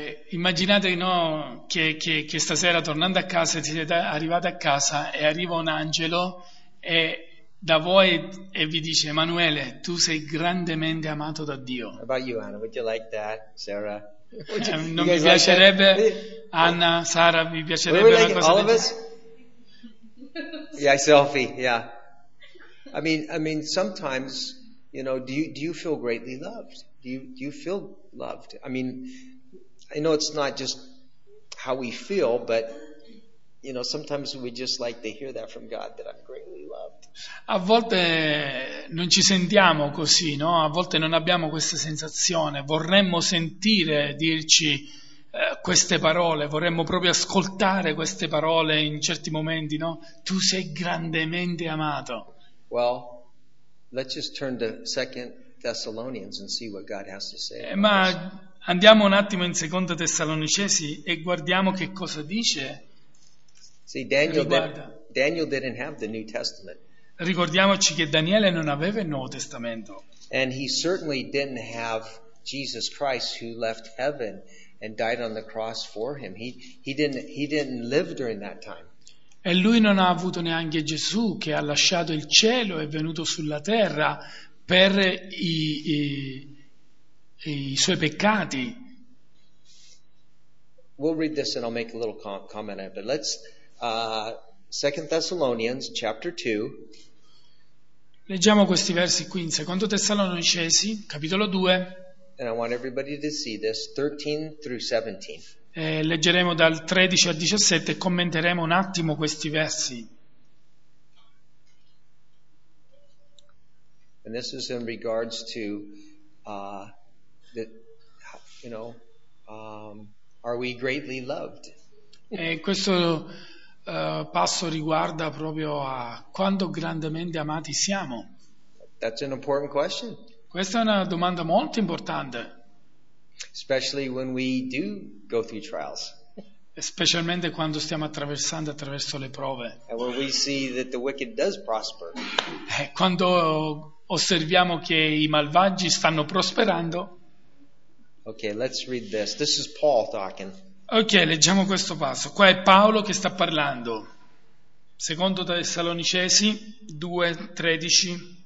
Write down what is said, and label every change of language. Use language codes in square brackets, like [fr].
[it] Immaginate, no, che stasera tornando a casa, siete arrivati a casa e arriva un angelo e da voi e vi dice, Emanuele, tu sei grandemente amato da Dio. [en] How about you, Anna? Would you like that, Sarah? [it] Non mi piacerebbe, Anna, Sara, mi piacerebbe una cosa [en] all of us? Yeah, selfie. Yeah, I mean, sometimes, you know, do you feel greatly loved? Do you feel loved? I mean, I know it's not just how we feel, but you know, sometimes we just like to hear that from God that I'm greatly loved. [it] A volte non ci sentiamo così, no? A volte non abbiamo questa sensazione. Vorremmo sentire dirci queste parole, vorremmo proprio ascoltare queste parole in certi momenti, no? Tu sei grandemente amato. [en] Well, let's just turn to 2 Thessalonians and see what God has to say. [it] Ma andiamo un attimo in 2 Tessalonicesi e guardiamo che cosa dice. [en] See, Daniel didn't have the New Testament. [it] Ricordiamoci che Daniele non aveva il Nuovo Testamento. [en] And he certainly didn't have Jesus Christ who left heaven and died on the cross for him. He didn't live during that time. [it] E lui non ha avuto neanche Gesù che ha lasciato il cielo e venuto sulla terra per i suoi peccati. [en] We'll read this and I'll make a little comment on it. But let's 2 Thessalonians chapter 2. [it] Leggiamo questi versi qui in 2 Tessalonicesi capitolo 2. [en] And I want everybody to see this, 13 through 17. [it] Leggeremo dal 13 al 17 e commenteremo un attimo questi versi. [en] And this is in regards to are we greatly loved? [it] E questo passo riguarda proprio a quanto grandemente amati siamo. [en] That's an important question. [it] Questa è una domanda molto importante. [en] Especially when we do go through trials. [it] Specialmente quando stiamo attraverso le prove. [en] And when we see that the wicked does prosper. [it] Quando osserviamo che i malvagi stanno prosperando. [en] Okay, let's read this. This is Paul talking. [it] Okay, leggiamo questo passo. Qua è Paolo che sta parlando. Secondo Tessalonicesi 2:13.